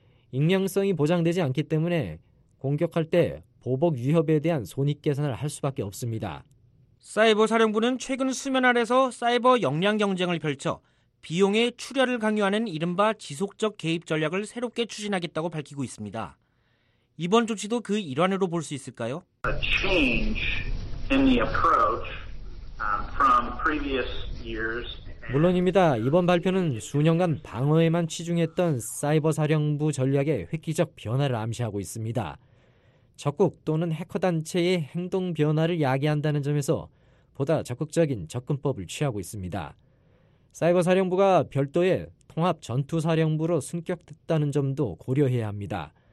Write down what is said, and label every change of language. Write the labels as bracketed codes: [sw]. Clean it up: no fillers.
[ko] 익명성이 보장되지 않기 때문에 공격할 때 보복 위협에 대한 손익 계산을 할 수밖에 없습니다. 사이버사령부는 최근 수면 아래서 사이버 역량 경쟁을 펼쳐 비용의 출혈을 강요하는 이른바 지속적 개입 전략을 새롭게 추진하겠다고 밝히고 있습니다. 이번 조치도 그 일환으로 볼 수 있을까요? [en] A change in the approach from previous years. [ko] 물론입니다. 이번 발표는 수년간 방어에만 치중했던 사이버사령부 전략의 획기적 변화를 암시하고 있습니다. 적극 또는 해커단체의 행동 변화를 야기한다는 점에서 보다 적극적인 접근법을 취하고 있습니다. 사이버사령부가 별도의 통합전투사령부로 승격됐다는 점도 고려해야 합니다.